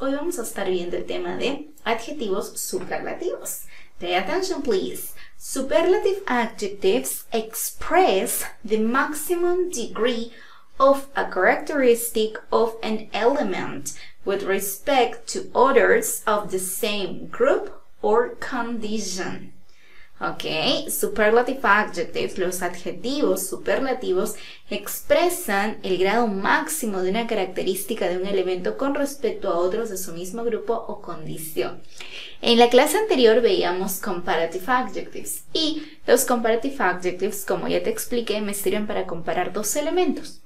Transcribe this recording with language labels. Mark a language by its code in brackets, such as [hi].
[es] Hoy vamos a estar viendo el tema de adjetivos superlativos. [en] Pay attention, please. Superlative adjectives express the maximum degree of a characteristic of an element with respect to others of the same group or condition. Okay, superlative adjectives, [es] los adjetivos superlativos, expresan el grado máximo de una característica de un elemento con respecto a otros de su mismo grupo o condición. En la clase anterior veíamos comparative adjectives y los comparative adjectives, como ya te expliqué, me sirven para comparar dos elementos.